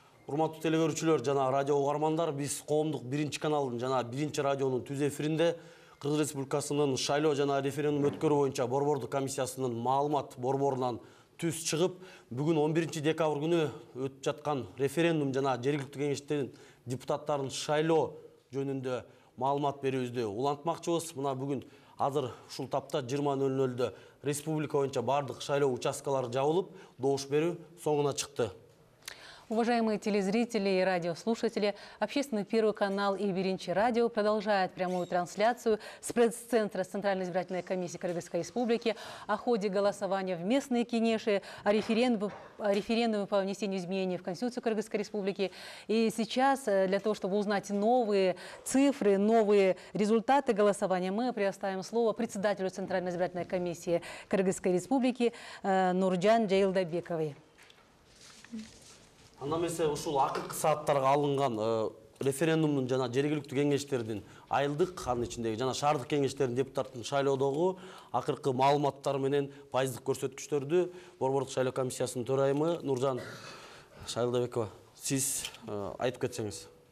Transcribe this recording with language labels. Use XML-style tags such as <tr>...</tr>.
<ky>Урматтуу телекөрүүчүлөр жана радио угармандар, биз коомдук биринчи каналдын жана биринчи радионун түз эфиринде Кыргыз Республикасынын шайлоо жана референдум өткөрүү боюнча борбордук комиссиясынын маалымат борборунан түз чыгып, бүгүн 11 декабрь күнү өтүп жаткан референдум жана жергиликтүү кеңештин депутаттарын шайлоо жөнүндө маалымат берүүбүздү улантмакчыбыз. Мына бүгүн азыр ушул тапта 20:00 республика боюнча бардык шайлоо участкалары жабылып, добуш берүү соңуна чыкты.</ky> <ru>Уважаемые телезрители и радиослушатели, общественный Первый канал и Биринчи радио продолжает прямую трансляцию с пресс-центра Центральной избирательной комиссии Кыргызской Республики о ходе голосования в местные кенеши, о референдуме по внесению изменений в Конституцию Кыргызской Республики. И сейчас для того, чтобы узнать новые цифры, новые результаты голосования, мы предоставим слово председателю Центральной избирательной комиссии Кыргызской Республики Нуржан Жайылдабековой.</ru> <ky>Анда мисе ушул акыркы сааттарга алынган референдумдун жана жергиликтүү кеңештердин айылдык анын ичиндеги жана шаардык кеңештердин депутаттын шайлоодогу акыркы маалыматтар менен пайыздык көрсөткүчтөрдү борбордук шайлоо комиссиясынын төрайымы Нуржан Жайылдабекова, сиз айтып кетсеңиз.</ky>